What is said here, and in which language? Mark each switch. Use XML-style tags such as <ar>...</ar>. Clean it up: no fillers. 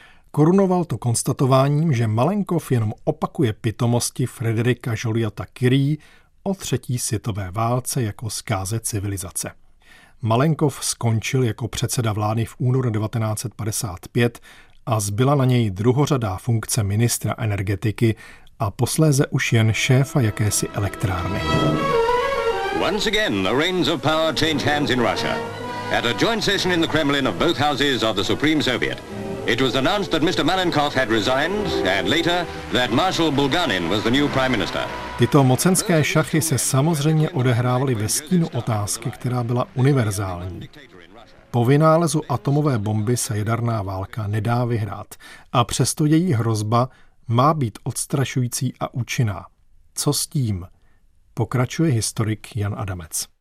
<cs>Korunoval to konstatováním, že Malenkov jenom opakuje pitomosti Frederika Joliota Curie o třetí světové válce jako zkáze civilizace. Malenkov skončil jako předseda vlády v únoru 1955 a zbyla na něj druhořadá funkce ministra energetiky a posléze už jen šéfa jakési elektrárny.</cs> <en>Once again the reins of power changed hands in Russia. At a joint session in the Kremlin of both houses of the Supreme Soviet, it was announced that Mr. Malenkov had resigned and later that Marshal Bulganin was the new prime minister.</en> <cs>Tyto mocenské šachy se samozřejmě odehrávaly ve stínu otázky, která byla univerzální. Po vynálezu atomové bomby se jaderná válka nedá vyhrát a přesto její hrozba má být odstrašující a účinná. Co s tím? Pokračuje historik Jan Adamec.</cs>